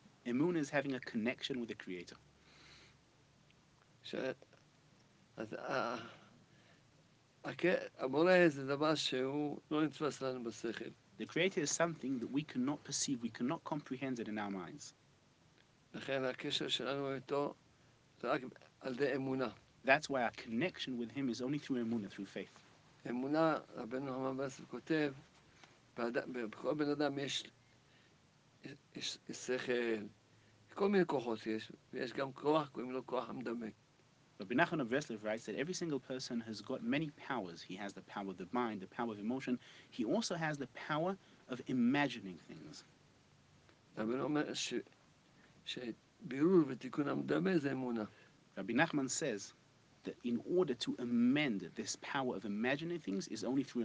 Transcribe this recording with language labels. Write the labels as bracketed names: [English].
[English] Emuna is having a connection with the Creator. The Creator is something that we cannot perceive, we cannot comprehend it in our minds. That's why our connection with Him is only through Emuna, through faith. [Hebrew] אמונה, רבנו אמר בעצם כותב, בכל בן אדם יש שכל, כל מיני כוחות יש, ויש גם כוח, קוראים לו כוח המדמה. [English] Rabbi Nachman of Breslov writes that every single person has got many powers. He has the power of the mind, the power of emotion. He also has the power of imagining things. [Hebrew] רבנו אומר שבירור ותיקון המדמה זה אמונה. [English] Rabbi Nachman says, that in order to amend this power of imagining things is only through